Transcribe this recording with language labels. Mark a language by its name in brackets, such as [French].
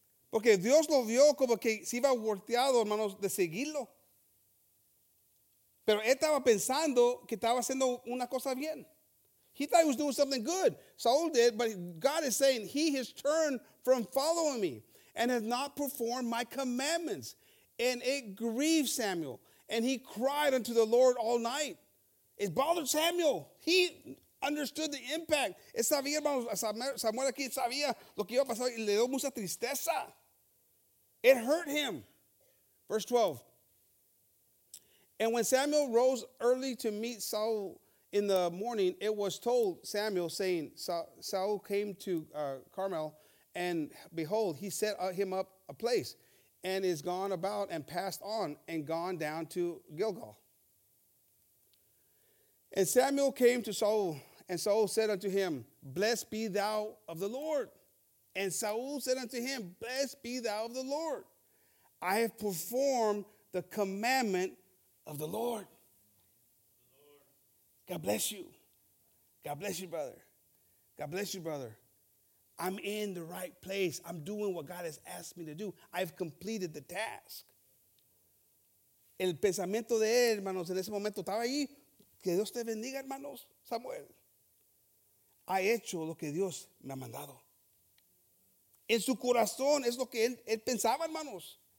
[Spanish] Porque Dios lo vio como que se iba volteado, hermanos, de seguirlo. Pero él estaba pensando que estaba haciendo una cosa bien. [English] He thought he was doing something good. Saul did, but God is saying, he has turned from following me and has not performed my commandments. And it grieved Samuel. And he cried unto the Lord all night. It bothered Samuel. He understood the impact. [Spanish] Él sabía, hermano, Samuel aquí sabía lo que iba a pasar. Y le dio mucha tristeza. [English] It hurt him. Verse 12. And when Samuel rose early to meet Saul in the morning, it was told Samuel, saying, Saul came to Carmel, and behold, he set him up a place, and is gone about and passed on and gone down to Gilgal. And Samuel came to Saul, and Saul said unto him, blessed be thou of the Lord. And Saul said unto him, blessed be thou of the Lord. I have performed the commandment of the Lord. God bless you. God bless you, brother. God bless you, brother. I'm in the right place. I'm doing what God has asked me to do. I've completed the task. [Spanish] El pensamiento de él, hermanos, en ese momento estaba ahí. Que Dios te bendiga, hermanos. Samuel. Ha hecho lo que Dios me ha mandado. En su corazón es lo que él pensaba, hermanos.